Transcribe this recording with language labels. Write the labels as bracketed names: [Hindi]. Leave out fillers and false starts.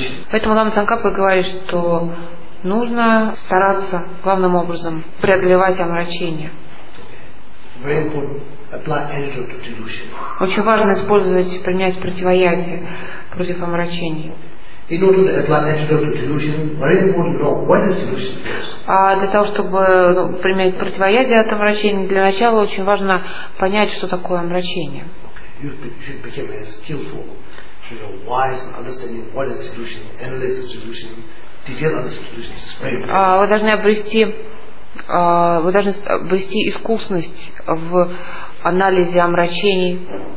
[Russian] Поэтому Лама Цанкапа говорит, что нужно стараться главным образом преодолевать омрачение. Очень важно использовать, применять противоядие против омрачений. [English] In order to apply antidote to delusion, very important to know what is delusion first. [Russian] А для того, чтобы применять противоядие от омрачения, для начала очень важно понять, что такое омрачение. Okay. [English] You should become a skillful, you know, wise in understanding what is delusion, analyze delusion, detail on this delusion. [Russian] Вы должны обрести искусность в анализе омрачений.